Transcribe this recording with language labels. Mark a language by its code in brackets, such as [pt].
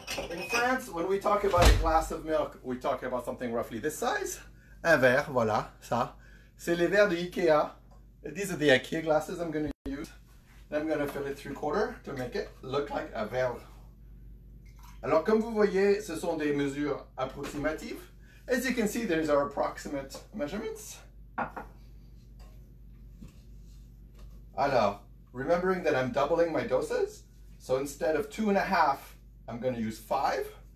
[en] In France, when we talk about a glass of milk, we talk about something roughly this size. [fr] Un verre, voilà, ça. C'est les verres de IKEA. [en] These are the IKEA glasses I'm going to use. I'm going to fill it 3/4 to make it look like a verre. [fr] Alors, comme vous voyez, ce sont des mesures approximatives. [en] As you can see, these are approximate measurements. Alors, remembering that I'm doubling my doses, so instead of 2.5, I'm going to use 5.